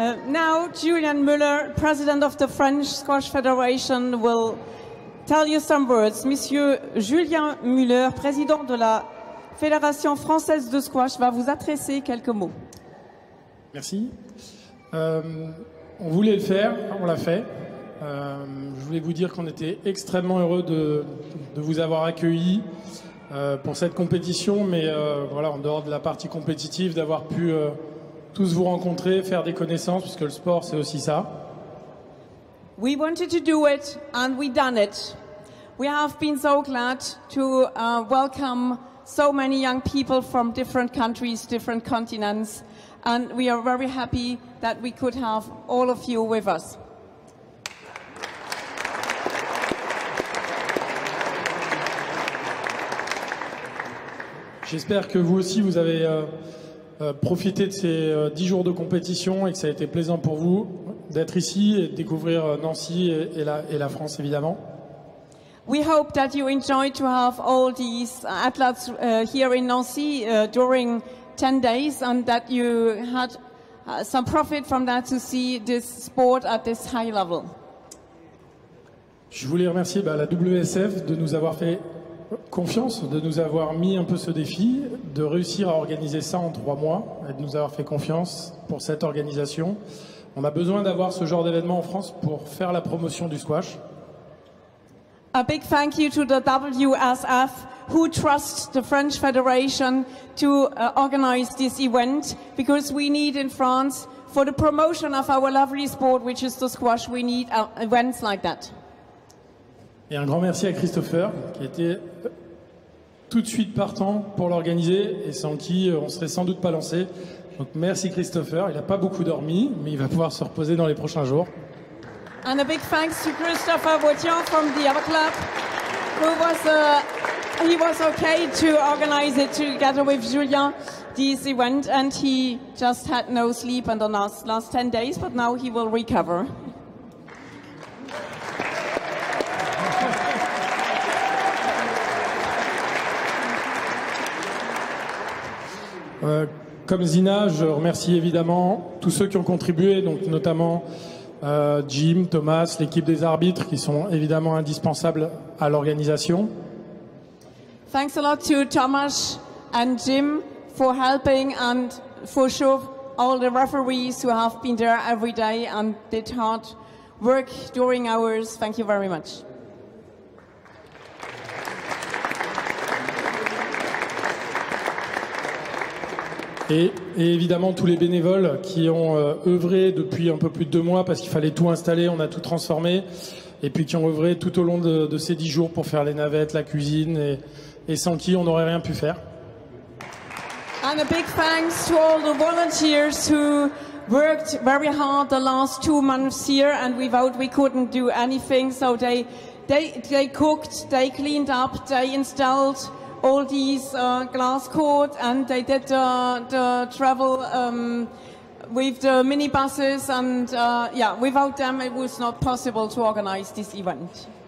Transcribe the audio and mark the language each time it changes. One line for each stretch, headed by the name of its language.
English: Now Julian Muller, president of the French Squash Federation, will tell you some words.
French: Monsieur Julian Muller, président de la Fédération française de squash, va vous adresser quelques mots. Merci. On voulait le faire, on l'a fait. Je voulais vous dire qu'on était extrêmement heureux de vous avoir accueilli pour cette compétition, mais voilà, en dehors de la partie compétitive, d'avoir pu tous vous rencontrer, faire des connaissances, puisque le sport c'est aussi ça.
English: We wanted to do it and we done it. We have been so glad to welcome so many young people from different countries, different continents, and we are very happy that we could have all of you with us.
French: J'espère que vous aussi vous avez profité de ces 10 jours de compétition et que ça a été plaisant pour vous d'être ici et de découvrir Nancy et la France évidemment.
English: We hope that you enjoy to have all these athletes here in Nancy during 10 days and that you had some profit from that to see this sport at this high level.
French: Je voulais remercier la WSF de nous avoir fait confiance, de nous avoir mis un peu ce défi, de réussir à organiser ça en 3 mois et de nous avoir fait confiance pour cette organisation. On a besoin d'avoir ce genre d'événement en France pour faire la promotion du squash.
English: A big thank you to the WSF who trust the French Federation to organize this event because we need in France for the promotion of our lovely sport which is the squash, we need events like that.
French: Et un grand merci à Christopher qui était tout de suite partant pour l'organiser et sans qui on serait sans doute pas lancé. Donc merci Christopher, il n'a pas beaucoup dormi mais il va pouvoir se reposer dans les prochains jours.
English: And a big thanks to Christopher Wotian from the other club who was he was okay to organize it together with Julien this event and he just had no sleep in the last 10 days but now he will recover.
French: Comme Zina, je remercie évidemment tous ceux qui ont contribué, donc notamment Jim, Thomas, l'équipe des arbitres qui sont évidemment indispensables à l'organisation.
English: Thanks a lot to Thomas and Jim for helping and for sure all the referees who have been there every day and did hard work during hours. Thank you very much.
French: Et évidemment tous les bénévoles qui ont œuvré depuis un peu plus de 2 mois parce qu'il fallait tout installer, on a tout transformé et puis qui ont œuvré tout au long de ces 10 jours pour faire les navettes, la cuisine et sans qui on n'aurait rien pu faire.
English: And a big thanks to all the volunteers who worked very hard the last 2 months here and without we couldn't do anything. So they cooked, they cleaned up, they installed all these glass courts and they did the travel with the minibuses and yeah, without them it was not possible to organize this event.